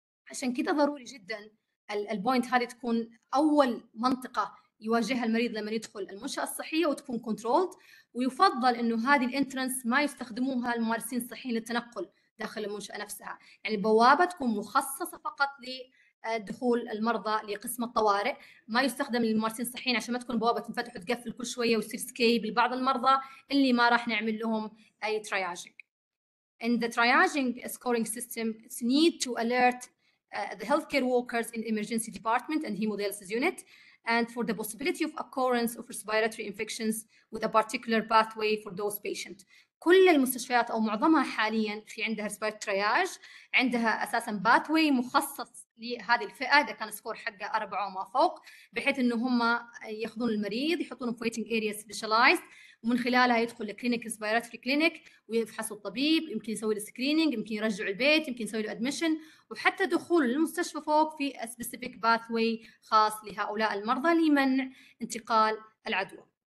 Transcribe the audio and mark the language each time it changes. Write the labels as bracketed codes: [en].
[ar] عشان كده ضروري جدا البوينت هذه تكون اول منطقه يواجهها المريض لما يدخل المنشاه الصحيه وتكون كنترولد، ويفضل انه هذه الانترنس ما يستخدموها الممارسين الصحيين للتنقل داخل المنشأة نفسها، يعني البوابة تكون مخصصة فقط لدخول المرضى لقسم الطوارئ، ما يستخدم للممارسين الصحيين عشان ما تكون بوابة تنفتح وتقفل كل شوية ويصير سكيب لبعض المرضى اللي ما راح نعمل لهم أي triaging. [en] In the triaging scoring system, it's need to alert the healthcare workers in emergency department and hemodialysis unit and for the possibility of occurrence of respiratory infections with a particular pathway for those patients. [ar] كل المستشفيات او معظمها حاليا في عندها respiratory triage، عندها اساسا باثوي مخصص لهذه الفئه اذا كان سكور حقها 4 وما فوق، بحيث انه هم ياخذون المريض يحطونه في [en] waiting area specialized [ar] ومن خلالها يدخل لكلينيك respiratory clinic ويفحصوا الطبيب، يمكن يسوي له screening، يمكن يرجع البيت، يمكن يسوي له admission، وحتى دخول المستشفى فوق في [en] a specific pathway [ar] خاص لهؤلاء المرضى لمنع انتقال العدوى.